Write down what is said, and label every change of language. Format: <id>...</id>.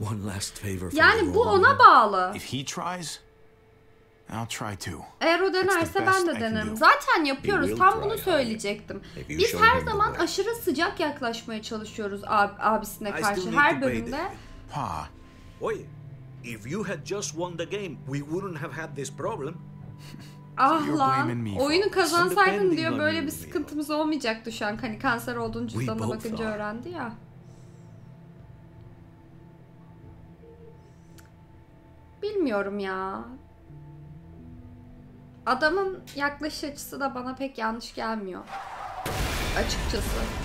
<en>One last favor.</en> <tr>Yani bu ona bağlı.</tr> <en>If he tries, I'll try to.</en> <tr>Eğer o denerse ben de denerim. Zaten yapıyoruz. Tam bunu söyleyecektim. Biz her zaman aşırı sıcak yaklaşmaya çalışıyoruz abisine karşı her bölümde. Pa. Oy.</tr> <en>If you had just won the game, we wouldn't have had this problem.</en> <tr>Ah lan. Oyunu kazansaydın diyor, böyle bir sıkıntımız olmayacaktı şu an. Hani kanser olduğunu cüzdanına bakınca öğrendi ya. Bilmiyorum ya. Adamın yaklaşış açısı da bana pek yanlış gelmiyor. Açıkçası.</tr>